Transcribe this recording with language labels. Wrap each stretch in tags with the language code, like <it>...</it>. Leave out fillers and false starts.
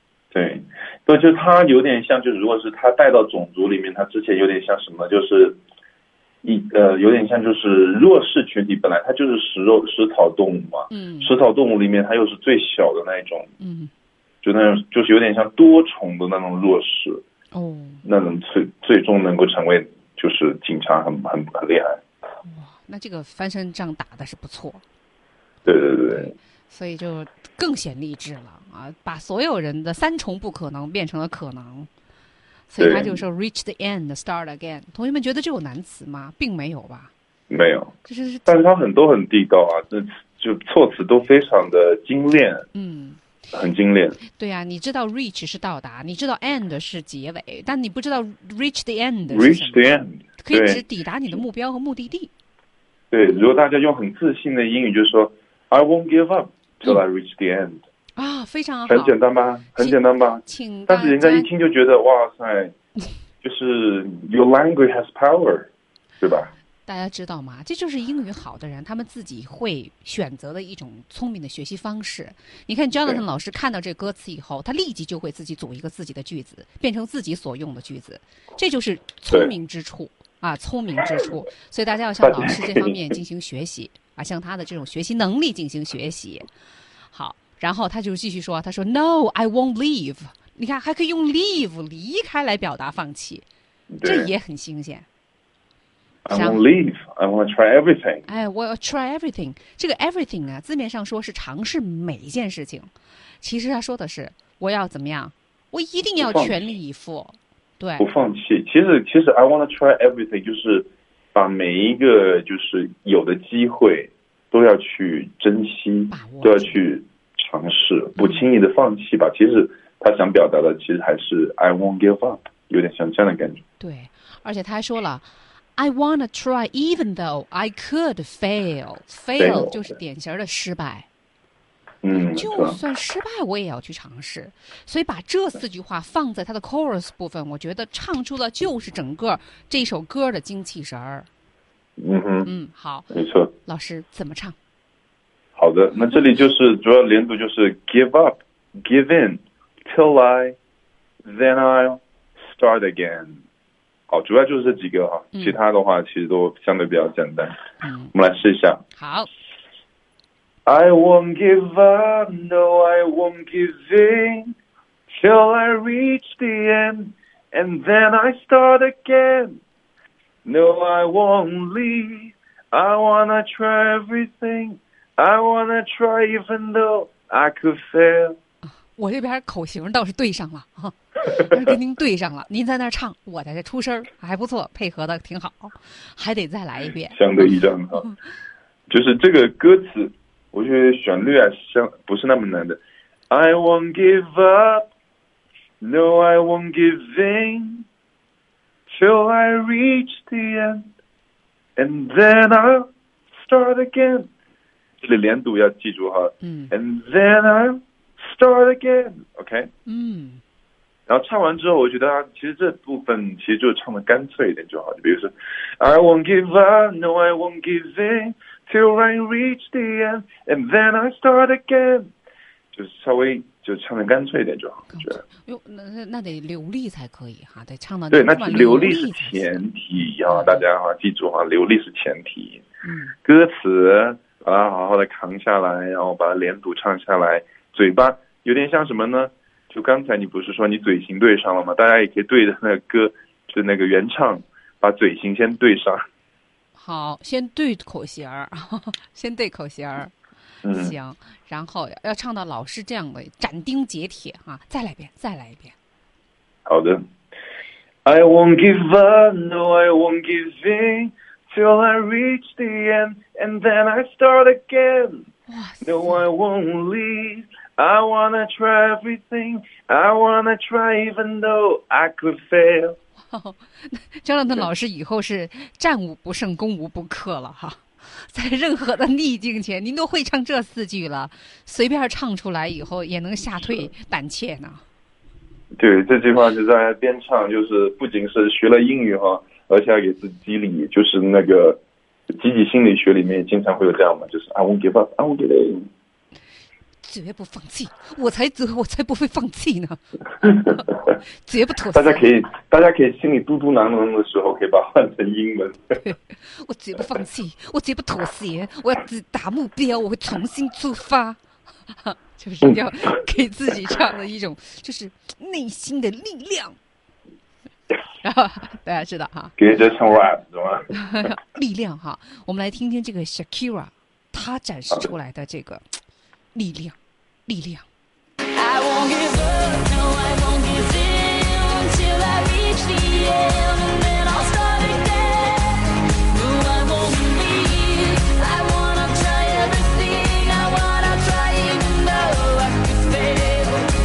<zh>对，就他有点像，就是如果是他带到种族里面，他之前有点像什么，就是有点像就是弱势群体，本来它就是食草动物嘛，食草动物里面它又是最小的那一种，就那种就是有点像多重的那种弱势，哦，那种最终能够成为就是警察很厉害，哇，那这个翻身仗打的是不错，对对对，所以就更显励志了啊，把所有人的三重不可能变成了可能。所以他就说</zh> <en>reach the end, start again。</en> <zh>同学们觉得这有难词吗？并没有吧，没有，就是，但是他很多很地道啊，就措辞都非常的精炼，很精炼。对啊，你知道 reach 是到达，你知道 end 是结尾，但你不知道</zh> <en>reach the end， reach the end</en> <zh>可以指抵达你的目标和目的地。对，如果大家用很自信的英语就说</zh> <en>I won't give up till I reach the end，</en> <zh>啊，非常好，很简单吧，很简单吧，请但是人家一听就觉得哇塞，就是</zh> <en>your language has power，</en> <zh>对吧？大家知道吗？这就是英语好的人他们自己会选择的一种聪明的学习方式。你看 Jonathan 老师看到这歌词以后，他立即就会自己组一个自己的句子，变成自己所用的句子，这就是聪明之处。啊，聪明之处，所以大家要向老师这方面进行学习啊，向他的这种学习能力进行学习。好，然后他就继续说，他说</zh> <en>No, I won't leave。</en> <zh>你看还可以用 leave 离开来表达放弃，这也很新鲜。</zh> <en>I won't leave. I want to try everything.</en> <zh>哎，我要</zh> <en>try everything.</en> <zh>这个 everything 啊，字面上说是尝试每一件事情，其实他说的是我要怎么样，我一定要全力以赴，对，不放弃。其实</zh> <en>I want to try everything</en> <zh>就是把每一个就是有的机会都要去珍惜，都要去尝试，不轻易的放弃吧。其实他想表达的其实还是</zh> <en>I won't give up，</en> <zh>有点像这样的感觉。对，而且他还说了。</zh> <en>I want to try even though I could fail.</en> <zh>Fail 就是典型的失败。嗯，就算失败我也要去尝试。所以把这四句话放在他的 chorus 部分，我觉得唱出了就是整个这首歌的精气神儿。嗯哼，嗯，好，没错。老师怎么唱？好的，那这里就是主要连读就是</zh> <en>give up, give in, till I, then I'll start again。</en> <zh>好，主要就是这几个哈，其他的话其实都相对比较简单。嗯，我们来试一下。好。</zh> <en>I won't give up, no, I won't give in, till I reach the end, and then I start again. No, I won't leave, I wanna try everything, I wanna try even though I could fail.</en> <zh>我这边口型倒是对上了哈。还是跟您对上了，您在那儿唱，我在这出声，还不错，配合的挺好，还得再来一遍。相对一张哈，就是这个歌词，我觉得旋律啊，像不是那么难的。</zh> <en>I won't give up, no, I won't give in, till I reach the end, and then I'll start again。</en> <zh>这里连读要记住哈，嗯</zh> <en>，and then I'll start again，OK，、okay? 嗯。</en> <zh>然后唱完之后，我觉得其实这部分其实就唱的干脆一点就好。就比如说</zh> <en>，I won't give up, no, I won't give in, till I reach the end, and then I start again。</en> <zh>就是稍微就唱的干脆一点就好。哟，那得流利才可以哈，得唱到对，那流利是前提啊，大家哈记住哈，流利是前提。嗯，歌词把它好好的扛下来，然后把它连读唱下来，嘴巴有点像什么呢？就刚才你不是说你嘴型对上了吗？大家也可以对着那个歌，就那个原唱，把嘴型先对上。好，先对口型儿，先对口型儿、嗯，行。然后要唱到老师这样的斩钉截铁哈、啊，再来一遍，再来一遍。好的。</zh> <en>I won't give up, no, I won't give in, till I reach the end, and then I start again. No, I won't leave. I wanna try everything, I wanna try even though I could fail.</en> <zh>张亮的老师以后是战无不胜攻无不克了哈，在任何的逆境前您都会唱这四句了，随便唱出来以后也能吓退胆怯呢。对，这句话就在边唱，就是不仅是学了英语哈，而且要给自己激励，就是那个积极心理学里面经常会有这样嘛，就是</zh> <en>I won't give up, I won't give in。</en> <zh>绝不放弃，我才不会放弃呢，绝不妥协。大家可以心里嘟嘟囔囔的时候，可以把它换成英文。我绝不放弃，我绝不妥协，我要只打目标，我会重新出发，就是要给自己这样的一种就是内心的力量。大家知道哈，给这唱 rap 是吗？力量哈，我们来听听这个 Shakira， 她展示出来的这个。力量，力量。</zh> <en>I won't give up, no, I won't give in, until I reach the end, and then I'll start again. No, I won't leave, I wanna try everything, I wanna try even though I could fail.</en>